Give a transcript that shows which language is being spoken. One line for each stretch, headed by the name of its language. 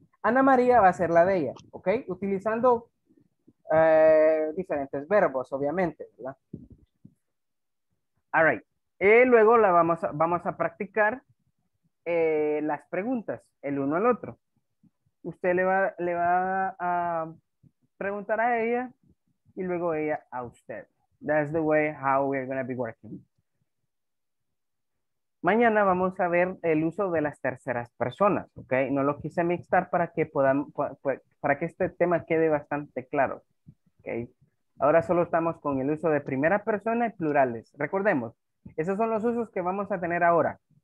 Spanish: Ana María va a ser la de ella, ¿ok? Utilizando diferentes verbos, obviamente, ¿verdad?
English: All right.
Spanish: Y luego vamos a practicar las preguntas, el uno al otro. Usted le va a preguntar a ella y luego ella a usted.
English: That's the way how we're going to be working.
Spanish: Mañana vamos a ver el uso de las terceras personas, ¿ok? No lo quise mixtar para que este tema quede bastante claro, ¿ok? Ahora solo estamos con el uso de primera persona y plurales. Recordemos, esos son los usos que vamos a tener ahora.